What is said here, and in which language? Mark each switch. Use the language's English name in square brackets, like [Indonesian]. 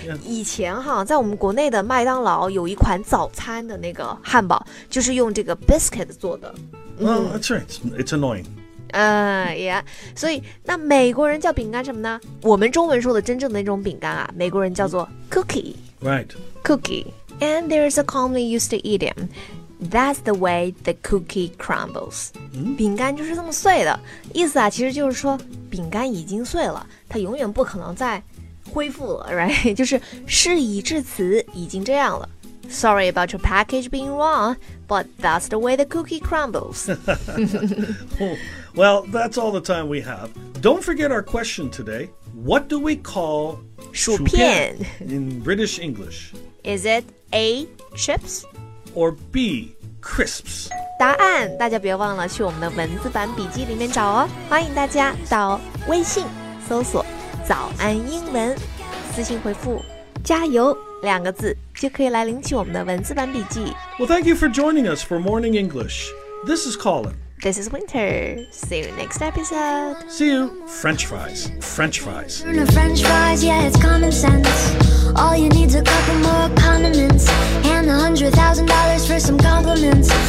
[Chinese] 以前哈在我们国内的麦当劳有一款早餐的那个汉堡就是用这个 biscuit 做的 [English] well, that's right, it's annoying yeah. [Chinese] 所以那美国人叫饼干什么呢？我们中文说的真正的那种饼干啊，美国人叫做 cookie. [English] Right. Cookie. And there is a commonly used to idiom. That's the way the cookie crumbles.、 Mm-hmm. [Chinese] 饼干就是这么碎的，意思啊，其实就是说饼干已经碎了，它永远不可能再恢复了 ，right? 就是事已至此，已经这样了。 [English] Sorry about your package being wrong, but that's the way the cookie crumbles. well, that's all the time we have. Don't forget our question today. What do we call [Chinese] 薯片 [English] in British English? Is it A, chips? Or B, crisps? [Chinese] 答案大家别忘了去我们的文字版笔记里面找哦。欢迎大家到微信搜索早安英文私信回复加油两个字就可以来领取我们的文字版笔记。 [English] Well, thank you for joining us for Morning English. This is Colin. This is Winter. See you next episode. See you. French fries. French fries. French fries, yeah, it's common sense. All you need is a couple more condiments. And $100,000 for some compliments.